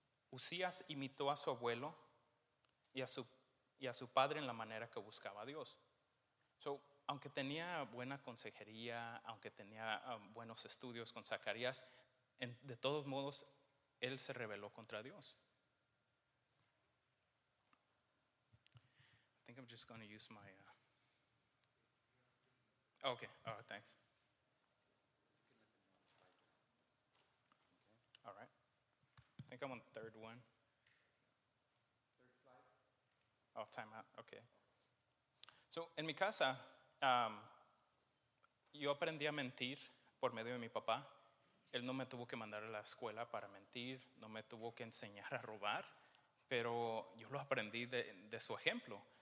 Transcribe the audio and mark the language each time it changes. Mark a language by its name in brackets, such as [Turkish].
[Spanish] Usías imitó a su abuelo y a su padre en la manera que buscaba a Dios. So, aunque tenía buena consejería, aunque tenía buenos estudios con Zacarías, de todos modos, él se rebeló contra Dios. [English] I think I'm just going to use my... Okay, all right, thanks. All right. I think I'm on the third one. Third slide. Oh, time out. Okay. [Spanish] So, en mi casa, yo aprendí a mentir por medio de mi papá. Él no me tuvo que mandar a la escuela para mentir, no me tuvo que enseñar a robar, pero yo lo aprendí de su ejemplo.